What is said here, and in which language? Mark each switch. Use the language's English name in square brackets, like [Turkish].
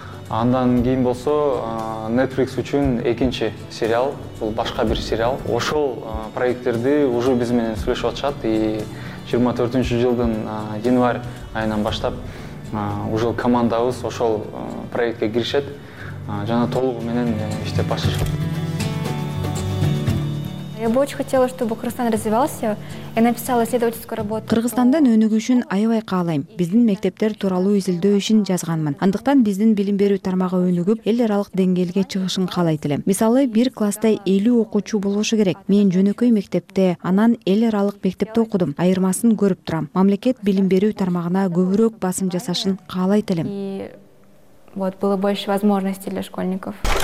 [Kyrgyz] Андан кийин болсо Netflix үчүн экинчи сериал, бул башка бир сериал. Ошол проекттерди уже биз менен сүйлөшүп атышат и 24-чү жылдын январь айынан баштап уже командабыз ошол проектке киришет жана толугу менен иштеп башташат. [Russian] Я бы очень хотела, чтобы Кыргызстан развивался. Я написала исследовательскую работу. [Kyrgyz] Кыргызстандан өнүгүшүн аябай каалайм. Биздин мектептер тууралуу изилдөө ишин жазганмын. Андыктан биздин билим берүү тармагы өнүгүп, эл аралык деңгээлге чыгышын каалайт элем. Мисалы, бир класста 50 окуучу болушу керек. Мен жөнөкөй мектепте, анан эл аралык мектепте окудум. Айырмасын көрүп турам. Мамлекет билим берүү тармагына көбүрөөк басым жасашын каалайт элем. [Russian] Вот было больше возможностей для школьников.